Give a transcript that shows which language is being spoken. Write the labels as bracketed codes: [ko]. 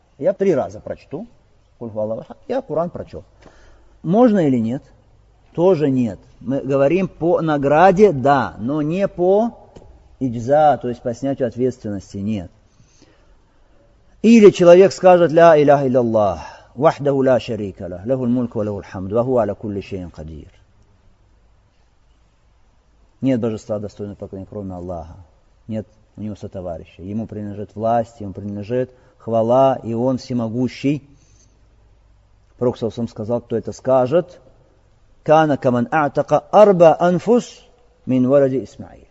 [ru] Я три раза прочту, [ar] куль хува Аллаху ахад, [ru] я Кур'ан прочел. Можно или нет? Тоже нет. Мы говорим по награде, да, но не по иджза, то есть по снятию ответственности, нет. Или человек скажет, [ar] ля иляха илляллах. وحده لا شريك له له الملك وله الحمد وهو على كل شيء قدير. [ru] Нет божества достойного поклонения кроме Аллаха. Нет у него сотоварища. Ему принадлежит власть, ему принадлежит хвала, и он всемогущий. Пророк саллаллаху алейхи ва саллям сказал, кто это скажет, [ar] كان كمن اعتق اربع انفس من ولد اسماعيل.